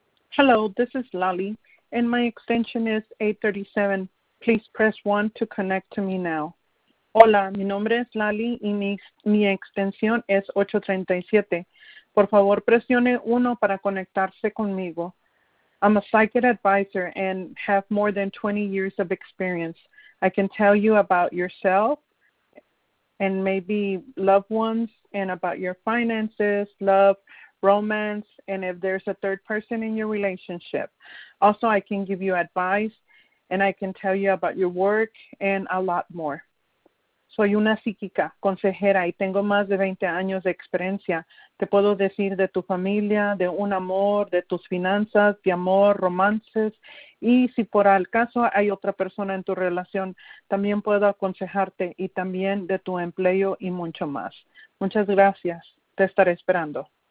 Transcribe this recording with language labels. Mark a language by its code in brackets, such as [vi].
[en] Hello, this is Lali, and my extension is 837. Please press 1 to connect to me now. [es] Hola, mi nombre es Lali y mi extensión es 837. Por favor, presione 1 para conectarse conmigo. [en] I'm a psychic advisor and have more than 20 years of experience. I can tell you about yourself and maybe loved ones and about your finances, love, romance, and if there's a third person in your relationship. Also, I can give you advice and I can tell you about your work and a lot more. [es] Soy una psíquica, consejera, y tengo más de 20 años de experiencia. Te puedo decir de tu familia, de un amor, de tus finanzas, de amor, romances. Y si por el caso hay otra persona en tu relación, también puedo aconsejarte y también de tu empleo y mucho más. Muchas gracias. Te estaré esperando.